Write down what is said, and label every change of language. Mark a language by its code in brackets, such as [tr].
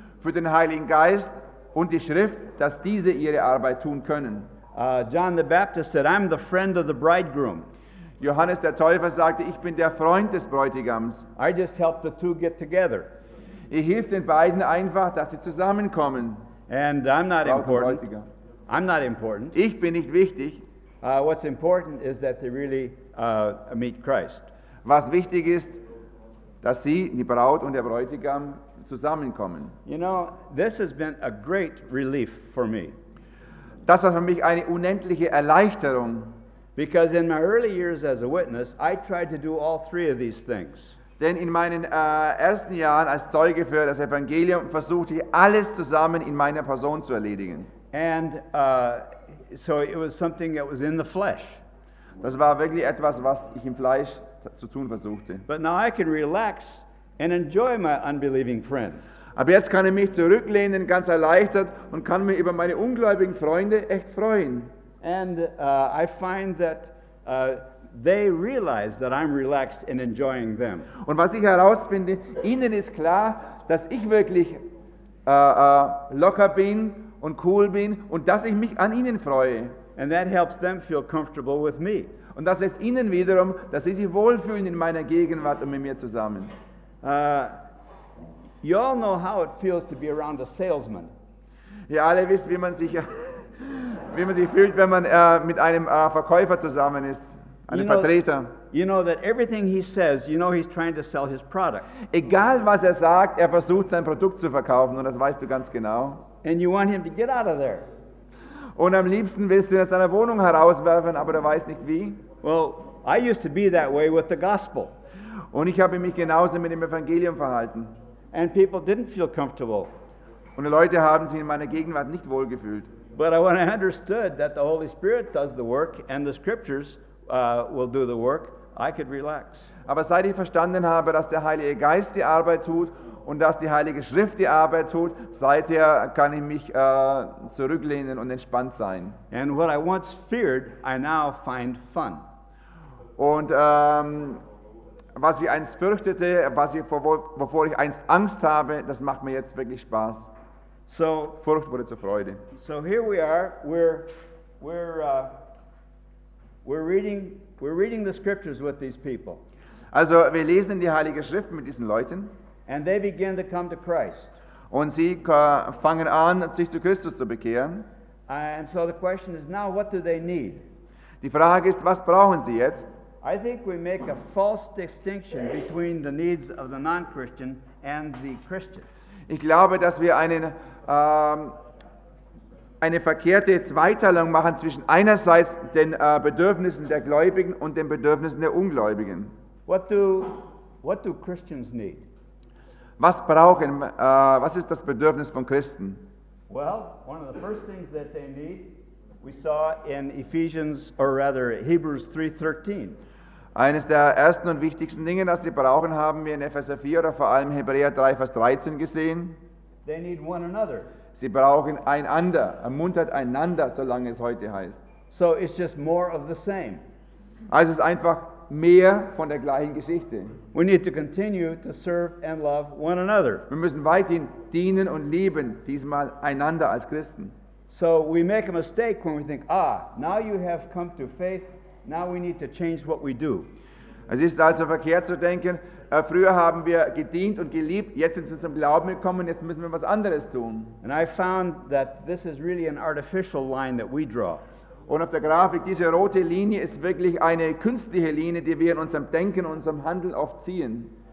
[de] Für den Heiligen Geist und die Schrift, dass diese ihre Arbeit tun können. [en] John the Baptist said, "I'm the friend of the bridegroom." [de] Johannes der Täufer sagte, ich bin der Freund des Bräutigams. [en] I just help the two get together. [de] Ich helfe den beiden einfach, dass sie zusammenkommen. [en] And I'm not important. I'm not important. [de] Ich bin nicht wichtig. [en] What's important is that they really meet Christ. [de] Was wichtig ist, dass sie, die Braut und der Bräutigam, zusammenkommen. [en] You know, this has been a great relief for me. [de] Das war für mich eine unendliche Erleichterung. [en] Because in my early years as a witness, I tried to do all three of these things. [de] Denn in meinen ersten Jahren als Zeuge für das Evangelium versuchte ich, alles zusammen in meiner Person zu erledigen. [en] And so it was something that was in the flesh. [de] Das war wirklich etwas, was ich im Fleisch zu tun versuchte. [en] But now I can relax and enjoy my unbelieving friends. [de] Aber jetzt kann ich mich zurücklehnen, ganz erleichtert, und kann mich über meine ungläubigen Freunde echt freuen. [en] And I find that they realize that I'm relaxed and enjoying them. [de] Und was ich herausfinde, ihnen ist klar, dass ich wirklich locker bin und cool bin und dass ich mich an ihnen freue. [en] And that helps them feel comfortable with me. [de] Und das hilft ihnen wiederum, dass sie sich wohlfühlen in meiner Gegenwart und mit mir zusammen. [en] You all know how it feels to be around a salesman. [de] Ihr alle wisst, wie man sich fühlt, wenn man mit einem Verkäufer zusammen ist. [en] You know that everything he says, you know he's trying to sell his product. [de] Egal was er sagt, er versucht sein Produkt zu verkaufen, und das weißt du ganz genau. [en] And you want him to get out of there. [de] Und am liebsten willst du ihn aus deiner Wohnung herauswerfen, aber du weißt nicht wie. [en] Well, I used to be that way with the gospel. [de] Und ich habe mich genauso mit dem Evangelium verhalten. [en] And people didn't feel comfortable. [de] Und die Leute haben sich in meiner Gegenwart nicht wohlgefühlt. [en] But when I understood that the Holy Spirit does the work and the Scriptures will do the work, I could relax. [de] Aber seit ich verstanden habe, dass der Heilige Geist die Arbeit tut und dass die Heilige Schrift die Arbeit tut, seither kann ich mich zurücklehnen und entspannt sein. [en] And what I once feared, I now find fun. [de] Und was ich einst fürchtete, wovor ich einst Angst habe, das macht mir jetzt wirklich Spaß. [en] So, [de] Furcht wurde zur Freude. [en] So here we are, we're reading the scriptures with these people. [de] Also, wir lesen die Heilige Schrift mit diesen Leuten. [en] And they begin to come to Christ. [de] Und sie fangen an, sich zu Christus zu bekehren. [en] And so the question is now, what do they need? [de] Die Frage ist, was brauchen sie jetzt? [en] I think we make a false distinction between the needs of the non-Christian and the Christian. [de] Ich glaube, dass wir eine verkehrte Zweiteilung machen zwischen einerseits den Bedürfnissen der Gläubigen und den Bedürfnissen der Ungläubigen. [en] What do Christians need? [de] Was ist das Bedürfnis von Christen? [en] Well, one of the first things that they need, we saw in Ephesians, or rather Hebrews 3:13. [de] Eines der ersten und wichtigsten Dinge, das sie brauchen, haben wir in Epheser 4 oder vor allem Hebräer 3, Vers 13 gesehen. [en] They need one another. [de] Sie brauchen einander, ermuntert einander, solange es heute heißt. [en] So it's just more of the same. [de] Also es ist einfach mehr von der gleichen Geschichte. [en] We need to continue to serve and love one another. [de] Wir müssen weiterhin dienen und lieben, diesmal einander als Christen. [en] So we make a mistake when we think, now you have come to faith, now we need to change what we do. [de] Es ist also verkehrt zu denken, früher haben wir gedient und geliebt, jetzt sind wir zum Glauben gekommen, jetzt müssen wir was anderes tun. [en] And I found that this is really an artificial line that we draw. [de] Und auf der Grafik, diese rote Linie ist wirklich eine künstliche Linie, die wir in unserem Denken, unserem Handeln oft ziehen.